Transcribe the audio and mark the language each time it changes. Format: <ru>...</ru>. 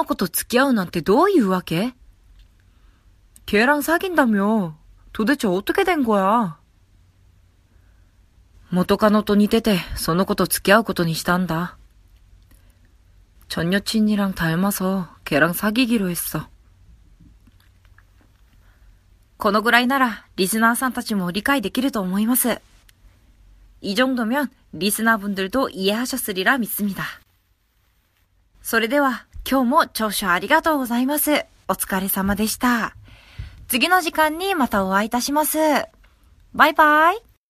<ja>元カノと似ててその子と付き合うことにしたんだ。その子と付き合うなんてどういうわけ?</ja> <ko>걔랑 사귄다며 도대체 어떻게 된 거야?</ko> <ja>元カノと似ててその子と付き合うことにしたんだ。</ja> <ko>전 여친이랑 닮아서 걔랑 사귀기로 했어.</ko> <ja>このぐらいならリスナーさんたちも理解できると思います。</ja> <ko>이 정도면 리스너 분들도 이해하셨으리라 믿습니다.</ko> <ja>それでは今日も聴取ありがとうございます.お疲れ様でした. 次の時間にまたお会いいたします. バイバイ!</ja>